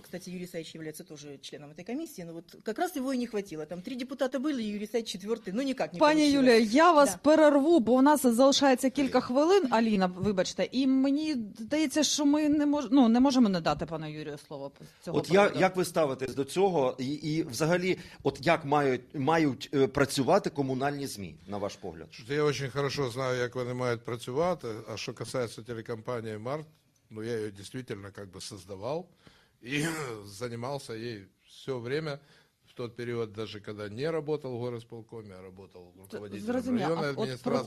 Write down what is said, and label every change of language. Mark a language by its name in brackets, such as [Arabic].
[Russian] Кстати, Юрий Саич является тоже членом этой комиссии, но вот как раз его и не хватило. Там 3 депутата были, и Юрий Саич 4-й, ну никак не [Ukrainian] получилось. Пані Юлія, я вас перерву, бо у нас залишається кілька хвилин, Аліна, вибачте, і мені здається, що ми не можемо не дати пану Юрію слово цього приводу. От як ви ставитесь до цього, і взагалі, от як мають працювати комунальні ЗМІ, на ваш погляд? Я дуже хорошо знаю, як вони мають працювати, [Russian] а що касається телекомпании «Март», ну, я ее действительно как бы создавал и занимался ей все время, в тот период, даже когда не работал в горосполкоме, а работал руководителем районной администрации.